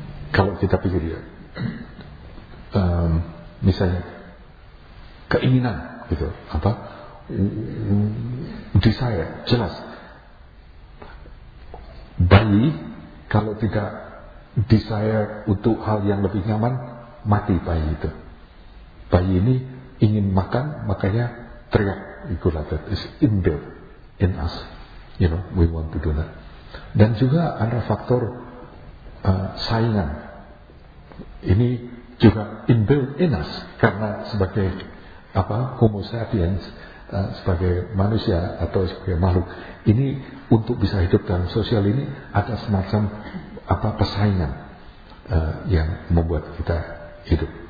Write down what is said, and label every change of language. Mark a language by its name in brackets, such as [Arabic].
[Indonesian] kalau kita pikir ya, misalnya keinginan gitu, apa desire, jelas bayi kalau tidak desire untuk hal yang lebih nyaman, mati bayi itu. Bayi ini ingin makan, makanya teriak, [English] it's inbuilt in us, you know, we want to do that. [Indonesian] Dan juga ada faktor saingan, ini juga [English] inbuilt in us, [Indonesian] karena sebagai apa homo sapiens, sebagai manusia atau sebagai makhluk ini, untuk bisa hidup dalam sosial ini ada semacam apa persaingan yang membuat kita hidup.